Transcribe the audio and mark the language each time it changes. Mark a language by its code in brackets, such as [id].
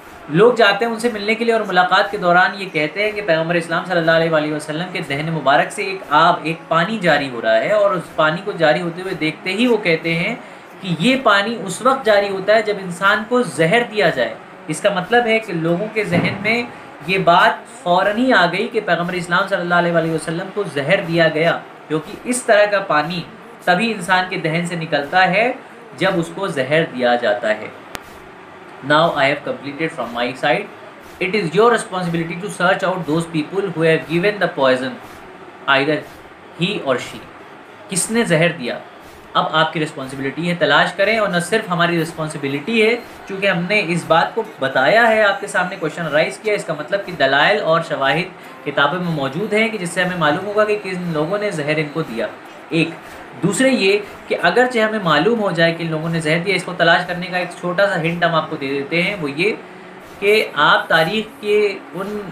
[hi] लोग जाते हैं उनसे मिलने के लिए और मुलाकात के दौरान ये कहते हैं कि पैगंबर इस्लाम सल्लल्लाहु अलैहि वसल्लम के दहन मुबारक से एक पानी जारी हो रहा है और उस पानी को जारी होते हुए देखते ही वो कहते हैं कि ये पानी उस वक्त जारी होता है जब इंसान को जहर दिया जाए. इसका मतलब है कि लोगों के जहन में ये बात फौरन ही आ गई कि पैगंबर इस्लाम सल्लल्लाहु अलैहि वसल्लम को जहर दिया गया, क्योंकि इस तरह का पानी तभी इंसान के दहन से निकलता है जब उसको जहर दिया जाता है. [en] Now I have completed from my side. It is your responsibility to search out those people who have given the poison, either he or she. [hi] किसने जहर दिया अब आपकी responsibility है, तलाश करें. और न सिर्फ हमारी responsibility है, चूँकि हमने इस बात को बताया है, आपके सामने [en] question arise [hi] किया, इसका मतलब कि दलायल और शवाहिद किताबों में मौजूद हैं कि जिससे हमें मालूम होगा कि किन लोगों ने जहर इनको दिया. एक दूसरे ये कि अगर चाहे हमें मालूम हो जाए कि इन लोगों ने जहर दिया, इसको तलाश करने का एक छोटा सा हिंट हम आपको दे देते हैं, वो ये कि आप तारीख के उन